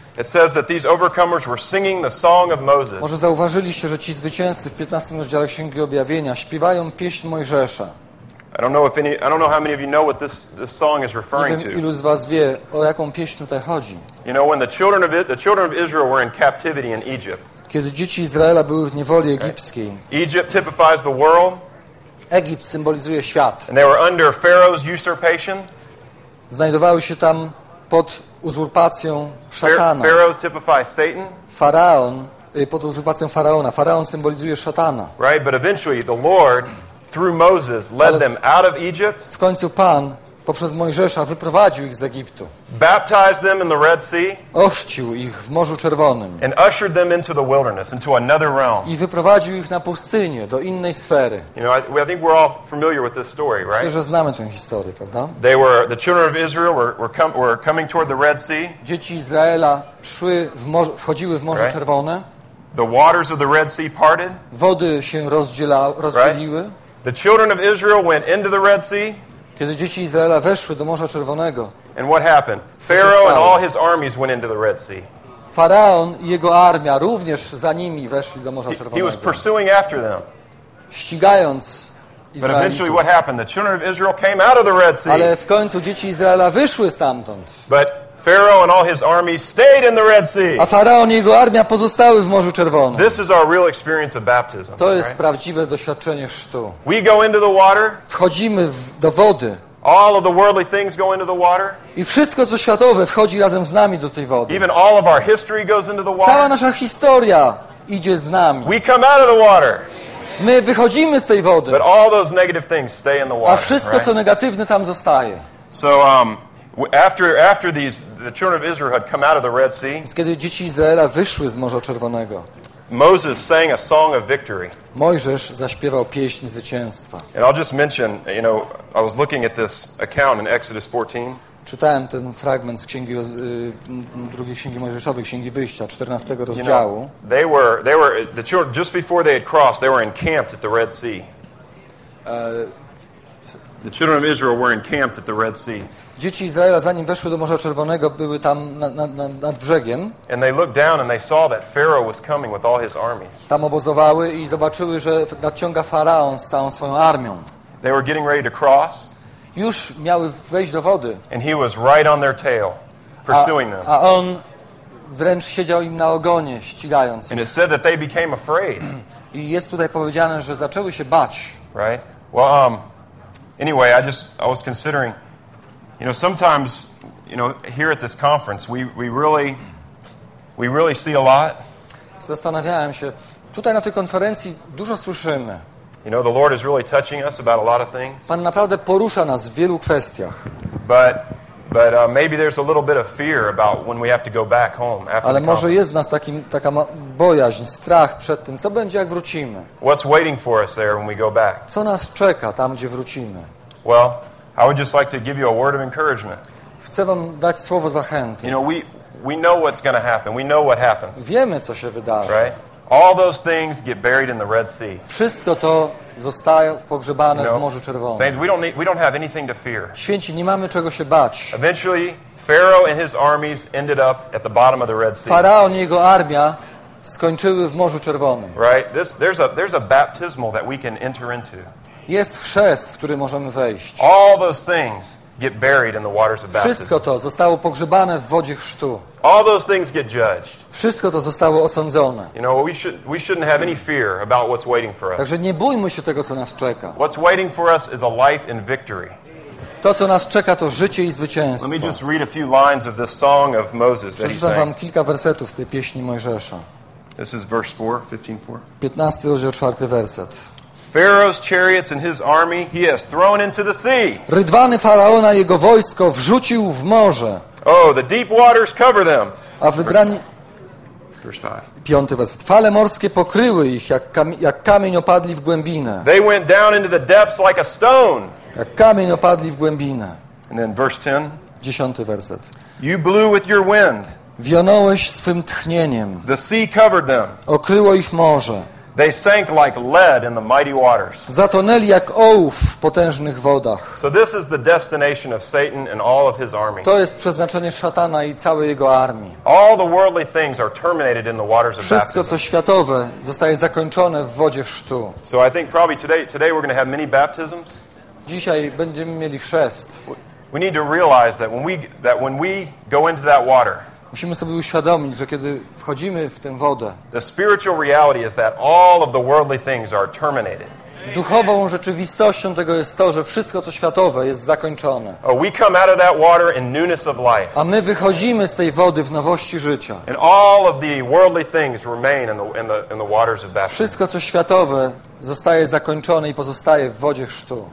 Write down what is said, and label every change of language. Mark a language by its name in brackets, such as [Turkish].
[English] It says that these overcomers were singing the song of Moses. [Polish] Może zauważyliście, że ci zwycięzcy w 15 rozdziale Księgi Objawienia śpiewają pieśń Mojżesza. [English] I don't know how many of you know what this song is referring to. [Polish] Nie wiem, ilu z was wie, o jaką pieśń tutaj chodzi. [English] You know, when the children of Israel were in captivity in Egypt. [Polish] Kiedy dzieci Izraela były w niewoli egipskiej. [English] Egypt typifies the world. [Polish] Egipt symbolizuje świat. [English] And they were under Pharaoh's usurpation. [Polish] Znajdowały się tam pod uzurpacją szatana. Faraon pod uzurpacją faraona. Faraon symbolizuje szatana. [English] Right, but eventually the Lord through Moses led them out of Egypt. [Polish] W końcu Pan poprzez Mojżesza wyprowadził ich z Egiptu. [English] Baptized them in the Red Sea. [Polish] Ochrzcił ich w Morzu Czerwonym. [English] And ushered them into the wilderness, into another realm. [Polish] I wyprowadził ich na pustynię, do innej sfery. [English] You know, I think we're all familiar with this story, right? [Polish] Myślę, że znamy tę historię, prawda? [English] They were the children of Israel were coming toward the Red Sea. [Polish] Dzieci Izraela szły w morze, wchodziły w Morze [English] right? [Polish] Czerwone. [English] The waters of the Red Sea parted. [Polish] Wody się rozdzieliły. [English] Right? The children of Israel went into the Red Sea. [Polish] Kiedy dzieci Izraela weszły do Morza Czerwonego. [English] And what happened? Pharaoh and all his armies went into the Red Sea. [Polish] Faraon i jego armia również za nimi weszli do Morza Czerwonego. [English] He was pursuing after them. [Polish] Ścigając Izraelitów. [English] But eventually what happened? The children of Israel came out of the Red Sea. [Polish] Ale w końcu dzieci Izraela wyszły stamtąd. [English] But Pharaoh and all his armies stayed in the Red Sea. [Polish] A faraon i jego armia pozostały w Morzu Czerwonym. [English] This is our real experience of baptism. [Polish] To jest prawdziwe doświadczenie chrztu. [English] We go into the water. [Polish] Wchodzimy do wody. [English] All of the worldly things go into the water. [Polish] I wszystko co światowe wchodzi razem z nami do tej wody. [English] Even all of our history goes into the water. [Polish] Cała nasza historia idzie z nami. [English] We come out of the water. [Polish] My wychodzimy z tej wody. [English] But all those negative things stay in the water. [Polish] A wszystko co negatywne tam zostaje. [English] So After these, the children of Israel had come out of the Red Sea. [Polish] Kiedy dzieci Izraela wyszły z Morza Czerwonego. [English] Moses sang a song of victory. [Polish] Mojżesz zaśpiewał pieśń zwycięstwa. [English] And I'll just mention, you know, I was looking at this account in Exodus 14. [Polish] Czytałem ten fragment z księgi drugiej księgi Mojżeszowej, księgi Wyjścia, 14 rozdziału. [English] You know, they were the children, just before they had crossed, they were encamped at the Red Sea. The children of Israel were encamped at the Red Sea. [Polish] Dzieci Izraela, zanim weszły do Morza Czerwonego, były tam nad brzegiem. [English] And they looked down and they saw that Pharaoh was coming with all his armies. [Polish] Tam obozowały i zobaczyły, że nadciąga faraon z całą swoją armią. [English] They were getting ready to cross. [Polish] Już miały wejść do wody. [English] And he was right on their tail, pursuing them. [Polish] A on wręcz siedział im na ogonie, ścigając ich. [English] And it said that they became afraid. [Polish] I jest tutaj powiedziane, że zaczęły się bać. [English] Right? Well, anyway, I was considering, you know, sometimes, you know, here at this conference, we really see a lot. [Polish] Zastanawiałem się, tutaj na tej konferencji dużo słyszymy. [English] You know, the Lord is really touching us about a lot of things. [Polish] Pan naprawdę porusza nas w wielu kwestiach. [English] But maybe there's a little bit of fear about when we have to go back home after. [Polish] Ale może jest w nas taka bojaźń, strach przed tym, co będzie, jak wrócimy. [English] What's waiting for us there when we go back? [Polish] Co nas czeka tam, gdzie wrócimy? [English] Well, I would just like to give you a word of encouragement. [Polish] Chcę wam dać słowo zachęty. [English] You know, we know what's going to happen. We know what happens. [Polish] Wiemy, co się wydarzy. [English] Right? All those things get buried in the Red Sea. [Polish] Wszystko to zostaje pogrzebane, [English] you know, [Polish] w Morzu Czerwonym. [English] Saints, we don't have anything to fear. [Polish] Święci, nie mamy czego się bać. [English] Eventually, Pharaoh and his armies ended up at the bottom of the Red Sea. [Polish] Faraon i jego armia skończyły w Morzu Czerwonym. [English] Right? There's a baptismal that we can enter into. [Polish] Jest chrzest, w który możemy wejść. [English] All those things get buried in the waters of baptism. [Polish] Wszystko to zostało pogrzebane w wodzie chrztu. [English] All those things get judged. [Polish] Wszystko to zostało osądzone. [English] You know, we shouldn't have any fear about what's waiting for us. [Polish] Także nie bójmy się tego, co nas czeka. [English] What's waiting for us is a life in victory. [Polish] To, co nas czeka, to życie i zwycięstwo. [English] Let me just read a few lines of this song of Moses. [Polish] Przeczytam wam kilka wersetów z tej pieśni Mojżesza. [English] This is verse 4, 15:4. [Polish] 15 rozdział, 4 werset. [English] Pharaoh's chariots and his army he has thrown into the sea. [Polish] Rydwany faraona i jego wojsko wrzucił w morze. [English] Oh, the deep waters cover them. [Polish] A wybrani. Piąty werset. Fale morskie pokryły ich, jak kamień opadli w głębinę. [English] They went down into the depths like a stone. [Polish] Jak kamień opadli w głębinę. [English] And then verse 10. [Polish] Dziesiąty werset. [English] You blew with your wind. [Polish] Wionąłeś swym tchnieniem. [English] The sea covered them. [Polish] Okryło ich morze. [English] They sank like lead in the mighty waters. [Polish] Zatonęli jak ołów w potężnych wodach. [English] So this is the destination of Satan and all of his army. [Polish] To jest przeznaczenie szatana i całej jego armii. [English] All the worldly things are terminated in the waters of baptism. [Polish] Wszystko, co światowe, zostaje zakończone w wodzie chrztu. [English] So I think probably today we're going to have many baptisms. [Polish] Dzisiaj będziemy mieli chrzest. [English] We need to realize that when we go into that water. [Polish] Musimy sobie uświadomić, że kiedy wchodzimy w tę wodę, [English] the spiritual reality is that all of the worldly things are terminated. [Polish] Duchową rzeczywistością tego jest to, że wszystko, co światowe, jest zakończone. [English] Oh, we come out of that water in newness of life. [Polish] A my wychodzimy z tej wody w nowości życia. [English] And all of the worldly things remain in the waters of baptism. [Polish] Wszystko, co światowe, zostaje zakończone i pozostaje w wodzie chrztu.